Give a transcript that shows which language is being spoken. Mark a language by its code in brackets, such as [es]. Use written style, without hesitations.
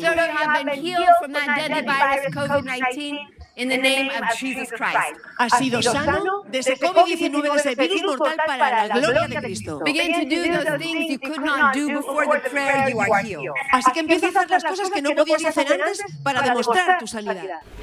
[en] So you have been healed from that deadly virus, COVID-19, in the name of Jesus Christ. [es] Ha sido sano desde COVID-19, de ese virus mortal, para la gloria de Cristo. [en] Begin to do those things you could not do before the prayer, you are healed. [es] Así que empieza a hacer las cosas que no podías hacer antes para demostrar tu sanidad.